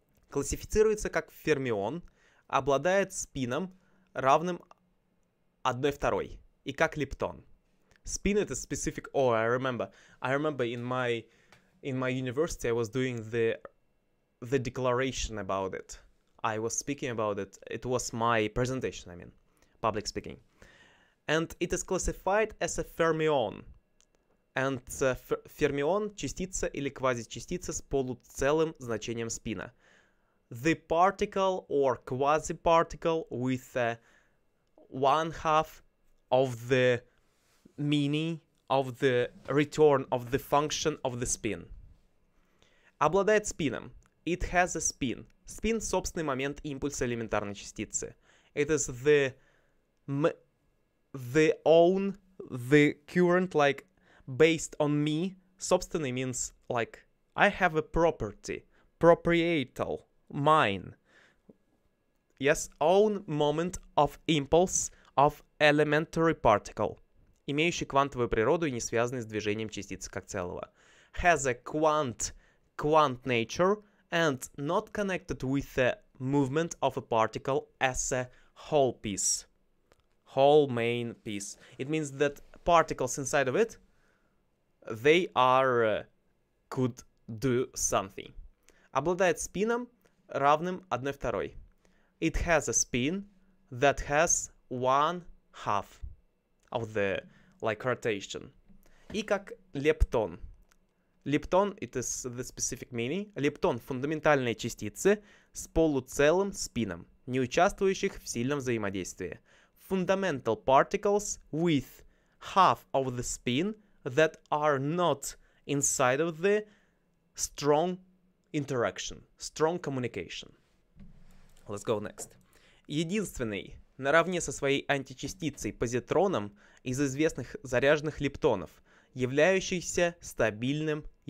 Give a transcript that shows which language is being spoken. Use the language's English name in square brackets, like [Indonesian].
[Russian] Классифицируется как фермион, обладает спином, равным 1/2, и как лептон. [English] Spin, it is specific, oh, I remember in my university I was doing the declaration about it. I was speaking about it. It was my presentation, public speaking. And it is classified as a fermion. [Russian] And fermion – частица или квазичастица с полуцелым значением спина. [English] The particle or quasi-particle with one half of the meaning of the return of the function of the spin. [Russian] Обладает спином. [English] It has a spin. [Russian] Спин – собственный момент импульса элементарной частицы. [English] It is the current, like, based on me. Собственный means, like, I have a property. Proprietal. Mine. Yes, own moment of impulse of elementary particle. [Russian] Имеющий квантовую природу и не связанный с движением частицы как целого. [English] Has a quant nature and not connected with the movement of a particle as a whole piece. Whole main piece. It means that particles inside of it, they are, could do something. [Russian] Обладает спином, равным 1/2. [English] It has a spin that has one half of the, like, rotation. [Russian] И как лептон. Лептон, [English] it is the specific meaning. [Russian] Лептон – фундаментальные частицы с полуцелым спином, не участвующих в сильном взаимодействии. [English] Fundamental particles with half of the spin that are not inside of the strong interaction, strong communication. Let's go next. [Russian] Единственный, наравне со своей античастицей позитроном, из известных заряженных лептонов, являющийся стабильным.